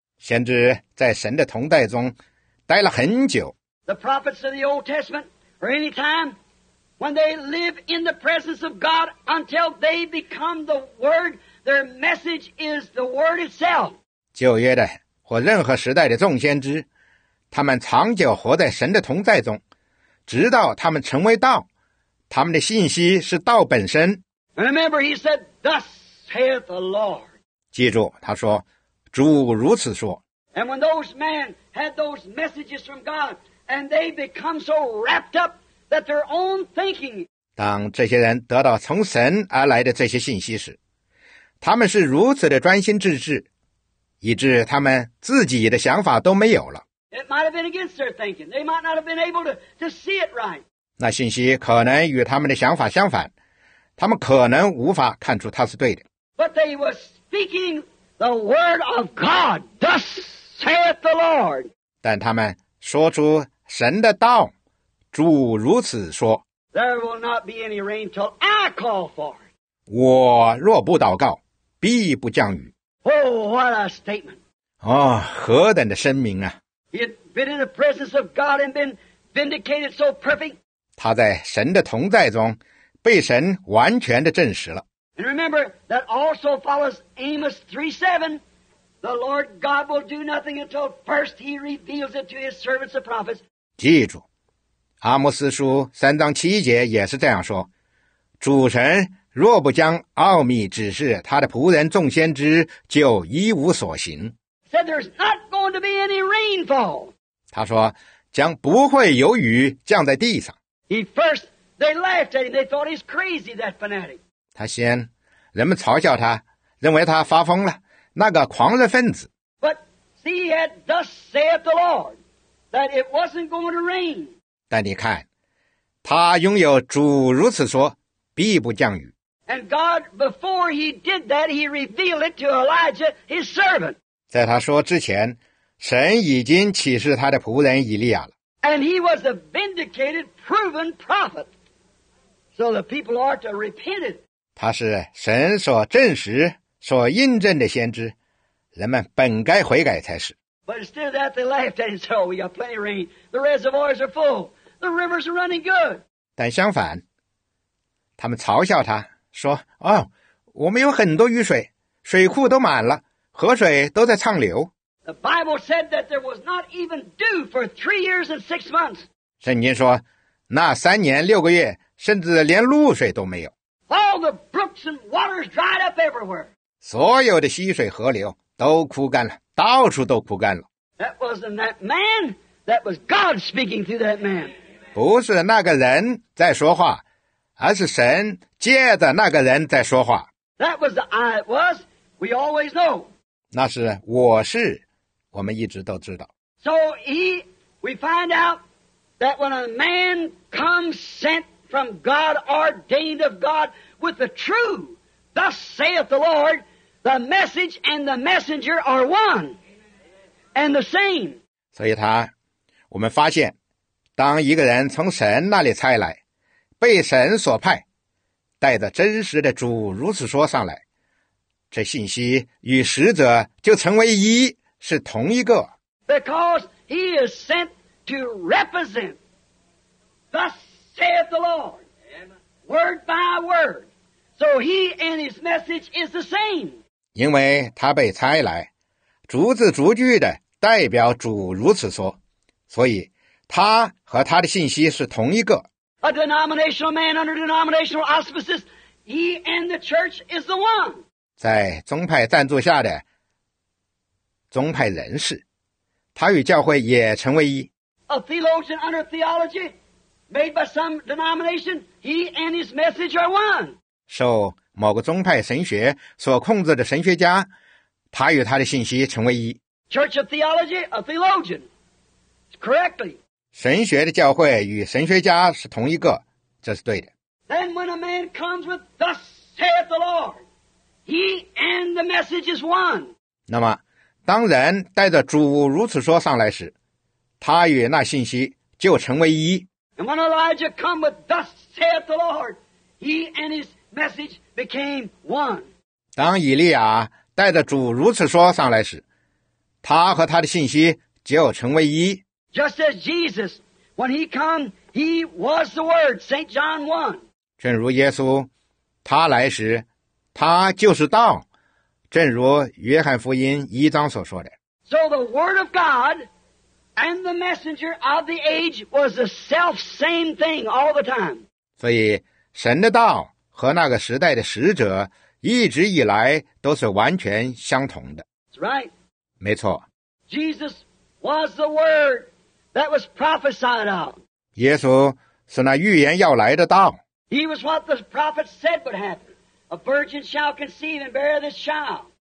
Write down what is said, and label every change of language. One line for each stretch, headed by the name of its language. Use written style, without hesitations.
Chinese: 先知在神的同在中待了很久。
English: The prophets of the Old Testament, or any time, when they live in the presence of God until they become the Word, their message is the Word itself.
Chinese: 旧约的或任何时代的众先知，他们长久活在神的同在中，直到他们成为道，他们的信息是道本身。
English: Remember, he said, "Thus saith the Lord."
Chinese: 记住，他说，主如此说。
English: And when those men had those messages from God, and they become so wrapped up that their own thinking.
Chinese: 当这些人得到从神而来的这些信息时，他们是如此的专心致志，以致他们自己的想法都没有了。
English: It might have been against their thinking. They might not have been able to see it right.
Chinese: 那信息可能与他们的想法相反，他们可能无法看出它是对的。
English: But they were speaking the word of God. Thus saith the Lord.
Chinese: 但他们说出神的道，主如此说。
English: There will not be any rain till I call for it.
Chinese: 我若不祷告，必不降雨。
English: Oh, what a statement!
Chinese: 哦，何等的声明啊！
English: He had been in the presence of God and been vindicated so perfect.
Chinese: 他在神的同在中被神完全的证实了。
English: And remember, that also follows Amos 3:7. The Lord God will do nothing until first he reveals it to his servants the prophets.
Chinese: 记住，阿摩斯书三章七节也是这样说，主神若不将奥秘指示他的仆人众先知，就一无所行。
English: Said there's not going to be any rainfall.
Chinese: 他说将不会有雨降在地上。
English: He first, they laughed at him. They thought he's crazy, that fanatic.
Chinese: 他先，人们嘲笑他，认为他发疯了，那个狂热分子。
English: But see, he had thus saith the Lord, that it wasn't going to rain.
Chinese: 但你看，他拥有主如此说，必不降雨。
English: And God, before he did that, he revealed it to Elijah, his servant.
Chinese: 在他说之前，神已经启示他的仆人以利亚了。
English: And he was a vindicated, proven prophet. So the people are to repent it.
Chinese: 他是神所证实、所印证的先知，人们本该悔改才是。
English: But instead of that, they laughed and said, "We got plenty of rain. The reservoirs are full. The rivers are running good."
Chinese: 但相反，他们嘲笑他说：“哦，我们有很多雨水，水库都满了。” 河水都在畅流。
English: The Bible said that there was not even dew for 3 years and 6 months.
Chinese: 圣经说，那三年六个月，甚至连露水都没有。
English: All the brooks and waters dried up everywhere.
Chinese: 所有的溪水河流都枯干了，到处都枯干了。
English: That wasn't that man. That was God speaking through that man.
Chinese: 不是那个人在说话，而是神借着那个人在说话。
English: That was the I it was. We always know.
Chinese: 那是我是，我们一直都知道。
English: So we find out that when a man comes sent from God, ordained of God with the true, thus saith the Lord, the message and the messenger are one and the same.
Chinese: 所以他，我们发现，当一个人从神那里差来，被神所派，带着真实的主如此说上来。这信息与使者就成为一，是同一个。
English: Because he is sent to represent, thus saith the Lord. Amen. Word by word. So he and his message is the same.
Chinese: 因为他被差来，逐字逐句的代表主如此说，所以他和他的信息是同一个。
English: A denominational man under denominational auspices, he and the church is the one.
Chinese: 在宗派赞助下的宗派人士，他与教会也成为一。
English: A theologian under theology made by some denomination, he and his message are one.
Chinese: 受某个宗派神学所控制的神学家，他与他的信息成为一。
English: Church of theology, a theologian, correctly.
Chinese: 神学的教会与神学家是同一个，这是对的。
English: Then when a man comes with "Thus saith the Lord," he and the message is one.
Chinese: 那么，当人带着主如此说上来时，他与那信息就成为一。
English: And when Elijah comes with "Thus saith the Lord," he and his message became one.
Chinese: 当以利亚带着主如此说上来时，他和他的信息就成为一。
English: Just as Jesus, when he came, he was the Word, St. John 1.
Chinese: 正如耶稣，他来时，他就是道，正如约翰福音一章所说的。
English: So the Word of God and the messenger of the age was the self-same thing all the time.
Chinese: 所以，神的道和那个时代的使者一直以来都是完全相同的。
English: That's right.
Chinese: 没错。
English: Jesus was the Word. That was prophesied of.
Chinese: 耶稣是那预言要来的道。
English: He was what the prophet said would happen. A virgin shall conceive and bear this child.